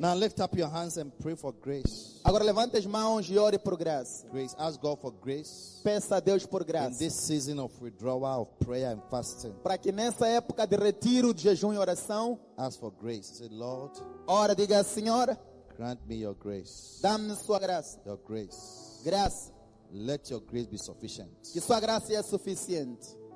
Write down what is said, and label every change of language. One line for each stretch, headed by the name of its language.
English: Now lift up your hands and pray for grace.
Portuguese: Agora levante as mãos e ore por graça.
English: Grace. Ask God for grace.
Portuguese: Peça a Deus por graça.
English: In this season of withdrawal of prayer and fasting.
Portuguese: Para que nessa época de retiro, de jejum e oração.
English: Ask for grace. Say, Lord.
Portuguese: Ora, diga, Senhor.
English: Grant me your grace.
Portuguese: Dá-me sua graça.
English: Your grace.
Portuguese: Graça.
English: Let your grace be sufficient.
Portuguese: Que sua graça é suficiente.